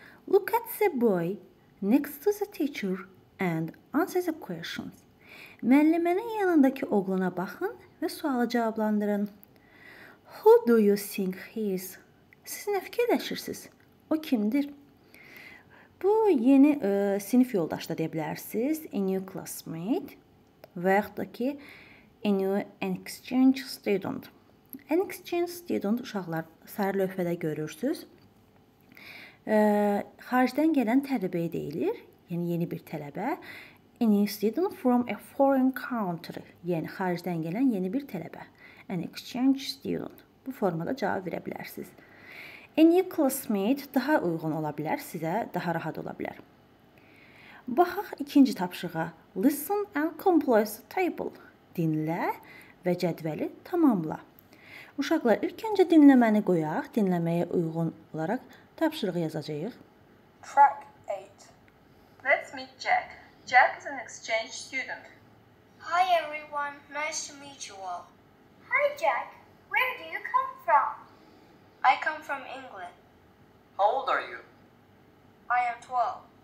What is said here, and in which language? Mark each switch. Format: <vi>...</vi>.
<en>Look at the boy next to the teacher and answer the questions.</en> <az>Müəllimənin yanındakı oğlana baxın və sualı cavablandırın.</az> <en>Who do you think he is?</en> <az>Siz nə fikirləşirsiniz? O kimdir? Bu yeni sinif yoldaşı da deyə bilərsiniz.</az> <en>A new classmate</en> <az>və yaxud da ki,</az> <en>a new exchange student. An exchange student</en> <az>uşaqlar sarı lövhədə görürsüz. Xaricdən gələn tələbəyə deyilir. Yəni yeni bir tələbə.</az> <en>A new student from a foreign country.</en> <az>Yəni xaricdən gələn yeni bir tələbə.</az> <en>An exchange student.</en> <az>Bu formada cavab verə bilərsiniz.</az> <en>A new classmate</en> <az>daha uyğun ola bilər, sizə daha rahat ola bilər. Baxaq ikinci tapşırığa.</az> <en>Listen and complete the table.</en> <az>Dinlə və cədvəli tamamla. Uşaqlar, ilk öncə dinləməni qoyaq. Dinləməyə uyğun olaraq tapşırığı yazacağıq.</az> <en>Track 8. Let's meet Jack. Jack is an exchange student. Hi everyone, nice to meet you all. Hi Jack, where do you come from? I come from England. How old are you? I am 12.</en>